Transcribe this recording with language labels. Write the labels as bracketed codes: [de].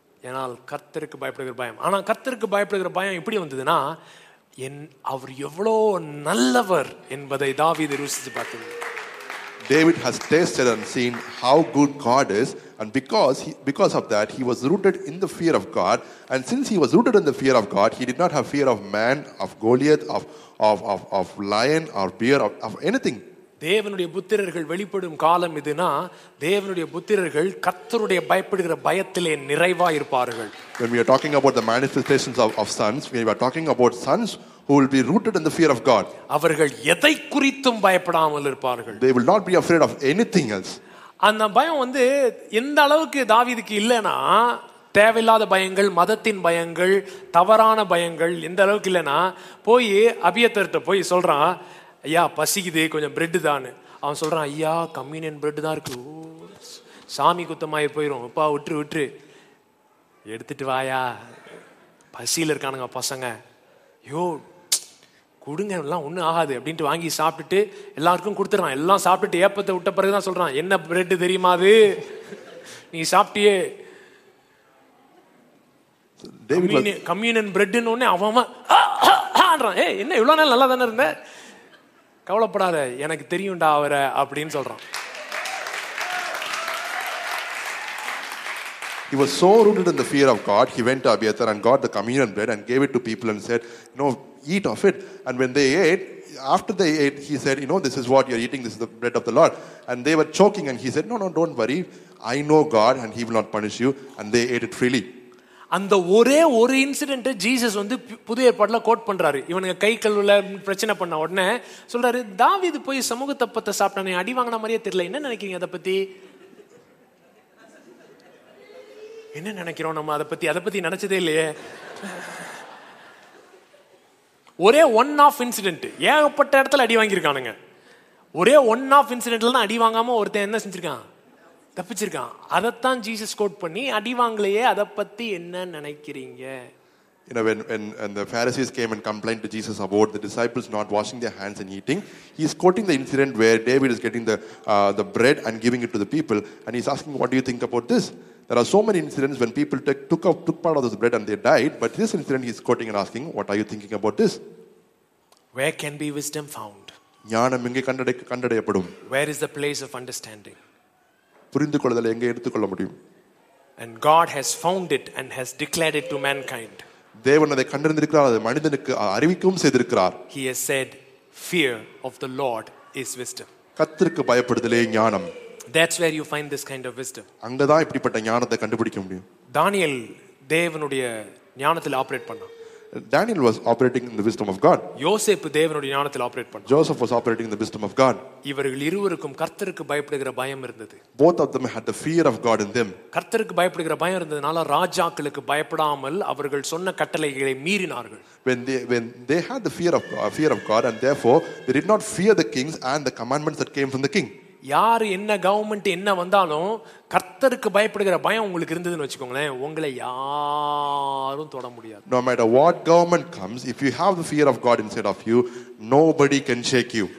[ta] ஏனால் கர்த்தருக்கு பயப்படுகிற பயம். ஆனா கர்த்தருக்கு பயப்படுகிற பயம் எப்படி வந்ததுன்னா, அவர் எவ்வளோ நல்லவர் என்பதை தாவீது ருசிச்சு பார்த்தது. [en] David has tasted and seen how good God is, and because of that he was rooted in the fear of God, and since he was rooted in the fear of God, he did not have fear of man, of Goliath, of lion or bear, of anything. [ta] தேவனுடைய புத்திரர்கள் வெளிப்படும் காலம் இதுனா, தேவனுடைய புத்திரர்கள் கர்த்தருடைய பயப்படுகிற பயத்திலே நிறைவாய் இருப்பார்கள். [en] When we are talking about the manifestations of sons, we are talking about sons who will be rooted in the fear of God. [ta] அவர்கள் எதை குறித்தும் பயப்படாமல் இருப்பார்கள். [en] They will not be afraid of anything else. [ta] அந்த பயம் வந்து எந்த அளவுக்கு தாவீதுக்கு இல்லனா, தேவையில்லாத பயங்கள், மதத்தின் பயங்கள், தவறான பயங்கள் எந்த அளவுக்கு இல்லனா, போய் அபியத்தர்கிட்ட போய் சொல்றான், ஐயா பசிக்குது, கொஞ்சம் பிரெட்டு தானு. அவன் சொல்கிறான், ஐயா கம்யூனியன் பிரெட்டு தான் இருக்கு, சாமி குத்தமாகி போயிடும், இப்பா விட்டு விட்டு எடுத்துட்டு வாயா, பசியில் இருக்கானுங்க பசங்க, ஐயோ கொடுங்க, எல்லாம் ஒன்றும் ஆகாது அப்படின்ட்டு வாங்கி சாப்பிட்டுட்டு எல்லாருக்கும் கொடுத்துட்றான். எல்லாம் சாப்பிட்டுட்டு ஏப்பத்தை விட்ட பிறகு தான் சொல்கிறான், என்ன பிரெட்டு தெரியுமா அது, நீ சாப்பிட்டியே கம்யூனியன் பிரெட்டுன்னு உடனே அவன்றான், ஏ என்ன இவ்வளோ நாள் நல்லா தானே இருந்த, கவலைப்படாத எனக்கு தெரியும்டா அவர அப்படின்னு சொல்றான். [en] He was so rooted in the fear of God, he went to Abiathar and got the communion bread and gave it to people and said, you know, eat of it. And when they ate, after they ate, he said, you know, this is what you're eating, this is the bread of the Lord. And they were choking and he said, no, don't worry, I know God and he will not punish you. And they ate it freely. [ta] அந்த ஒரே ஒரு incident Jesus வந்து புதிய ஏற்பாட்டில் code பண்றாரு. இவனுக்கு கை கழுவுல பிரச்சனை பண்ண உடனே சொல்றாரு, தாவீது போய் சமூக தப்பத்தை சாப்பிட்டானே, அடி வாங்கின மாதிரியே தெரியல, என்ன நினைக்கிறீங்க அதை பத்தி? என்ன நினைக்கிறோம் நம்ம அதை பத்தி, அதை பத்தி நினைச்சதே இல்லையே. ஒரே [en] one off incident, [ta] ஏகப்பட்ட இடத்துல அடி வாங்கியிருக்கானுங்க. ஒரே ஒன் ஆஃப் இன்சிடென்ட்ல தான் அடி வாங்காம ஒருத்தன் என்ன செஞ்சிருக்கான், தப்பிச்சிருக்கான். அதைத்தான் ஜீசஸ் கோட் பண்ணி, அடி வாங்கலையே அதை பத்தி என்ன நினைக்கிறீங்க. [en] You know, when the Pharisees came and complained to Jesus about the disciples not washing their hands and eating, he's quoting the incident where David is getting the bread and giving it to the people, and he's asking, what do you think about this? There are so many incidents when people took part of this bread and they died, but this incident he's quoting and asking, what are you thinking about this? Where can be wisdom found? [ta] ஞானம் எங்கே கண்டடையப்படும்? [en] Where is the place of understanding? [ta] புரிந்துகொள்ளல எங்கே எடுத்துக்கொள்ள முடியும்? [en] And God has found it and has declared it to mankind. [ta] தேவன் அதை கண்டறிந்திருக்கிறார், அதை மனிதனுக்கு அறிவிக்கவும் செய்திருக்கிறார். [en] He has said, fear of the Lord is wisdom. [ta] கர்த்தருக்கு பயப்படுதலே ஞானம். [en] That's where you find this kind of wisdom. [ta] அங்க தான் இப்படிப்பட்ட ஞானத்தை கண்டுபிடிக்க முடியும். தானியேல் தேவனுடைய ஞானத்தில் ஆபரேட் பண்ணான். [en] Daniel was operating in the wisdom of God. [ta] யோசேப்பு தேவனுடைய ஞானத்தில் ஆபரேட் பண்ணான். [en] Joseph was operating in the wisdom of God. [ta] இவர்கள் இருவருக்கும் கர்த்தருக்கு பயப்படுகிற பயம் இருந்தது. [en] Both of them had the fear of God in them. [ta] கர்த்தருக்கு பயப்படுகிற பயம் இருந்ததனால ராஜாக்களுக்கு பயப்படாமல் அவர்கள் சொன்ன கட்டளைகளை மீறினார்கள். [en] When they had the fear of God, and therefore they did not fear the kings and the commandments that came from the king. [ta] யாரு என்ன கவர்மெண்ட் என்ன வந்தாலும் கர்த்தருக்கு பயப்படுகிற பயம் உங்களுக்கு இருந்ததுன்னு வச்சுக்கோங்களேன், உங்களை யாரும் தொட முடியாது. [en] No matter what government comes, if you have the fear of God inside of you, nobody can shake you.